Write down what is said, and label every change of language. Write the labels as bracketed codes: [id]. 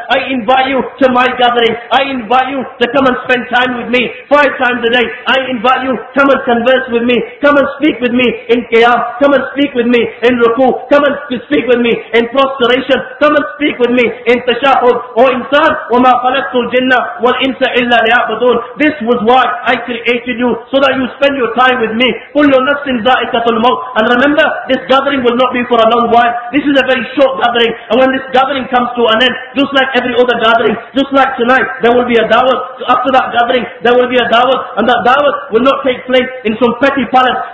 [en] I invite you to my gathering. I invite you to come and spend time with me 5 times a day. I invite you, come and converse with me. Come and speak with me in qiyam. Come and speak with me in ruku. Come and speak with me in prostration. Come and speak with me in tashahud. O insan, [ar] وَمَا خَلَقْتُ الْجِنَّ وَالْإِنسَ إِلَّا لِيَعْبُدُونَ. [en] This was why I created you, so that you spend your time with me. [ar] كُلُّ نَفْسٍ ذَائِقَةُ الْمَوْتِ. [en] And remember, this gathering will not be for a long while. This is a very short gathering. And when this gathering comes to an end, just like every other gathering, just like tonight, there will be a dawah. So after that gathering, there will be a dawah. And that dawah will not take place in some petty palace.